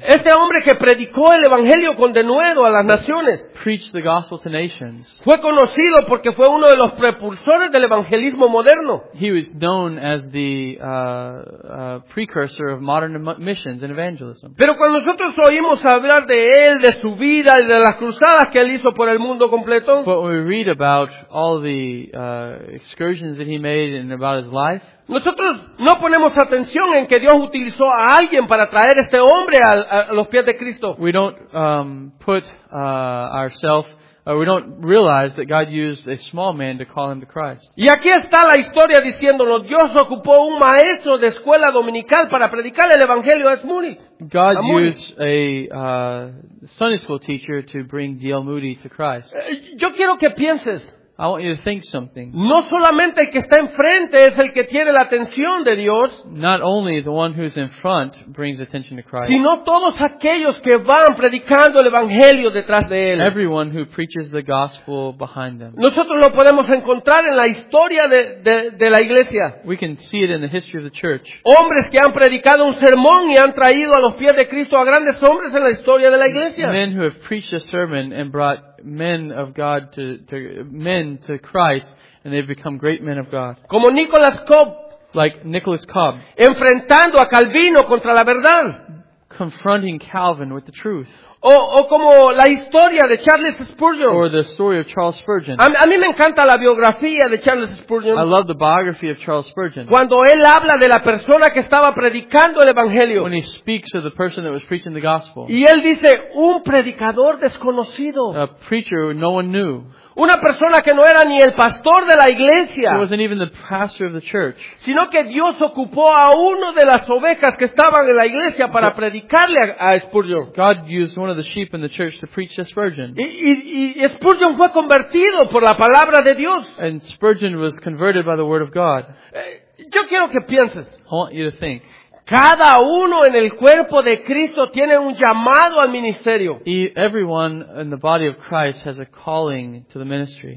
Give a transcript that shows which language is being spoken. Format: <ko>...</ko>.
<es>Este hombre que predicó el evangelio con denuedo a las naciones.</es> <en>Preached the gospel to nations.</en> <es>Fue conocido porque fue uno de los precursores del evangelismo moderno.</es> <en>He was known as the precursor of modern missions and evangelism.</en> <es>Pero cuando nosotros oímos hablar de él, de su vida y de las cruzadas que él hizo por el mundo completo,</es> <en>but we read about all the excursions that he made and about his life,</en> <es>nosotros no ponemos atención en que Dios utilizó a alguien para traer este hombre a los pies de Cristo.</es> <en>We don't put ourselves, we don't realize that God used a small man to call him to Christ.</en> <es>Y aquí está la historia diciéndonos, Dios ocupó un maestro de escuela dominical para predicar el evangelio a Smuni.</es> <en>God used a Sunday school teacher to bring D.L. Moody to Christ.</en> <es>Yo quiero que pienses.</es> <en>I want you to think something.</en> <es>No solamente el que está enfrente es el que tiene la atención de Dios.</es> <en>Not only the one who's in front brings attention to Christ.</en> <es>Sino todos aquellos que van predicando el evangelio detrás de él.</es> <en>Everyone who preaches the gospel behind them.</en> <es>Nosotros lo podemos encontrar en la historia de la iglesia.</es> <en>We can see it in the history of the church.</en> <es>Hombres que han predicado un sermón y han traído a los pies de Cristo a grandes hombres en la historia de la iglesia.</es> <en>Men who have preached a sermon and brought men of God to men to Christ, and they've become great men of God.</en> <es>Como Nicholas Cobb,</es> <en>like Nicholas Cobb,</en> <es>enfrentando a Calvino contra la verdad,</es> <en>confronting Calvin with the truth.</en> <es>O como la historia de Charles Spurgeon.</es> <en>Or the story of Charles Spurgeon.</en> <es>A mí me encanta la biografía de Charles Spurgeon.</es> <en>I love the biography of Charles Spurgeon.</en> <es>Cuando él habla de la persona que estaba predicando el evangelio.</es> <en>When he speaks of the person that was preaching the gospel.</en> <es>Y él dice un predicador desconocido.</es> <en>A preacher who no one knew.</en> <es>Una persona que no era ni el pastor de la iglesia.</es> <en>He wasn't even the pastor of the church.</en> <es>Sino que Dios ocupó a uno de las ovejas que estaban en la iglesia para predicarle a Spurgeon.</es> <en>God used one of the sheep in the church to preach to Spurgeon.</en> <es>Y Spurgeon fue convertido por la palabra de Dios.</es> <en>And Spurgeon was converted by the word of God.</en> <es>Yo quiero que pienses.</es> <en>I want you to think.</en> <es>Cada uno en el cuerpo de Cristo tiene un llamado al ministerio.</es> <en>Everyone in the body of Christ has a calling to the ministry.</en>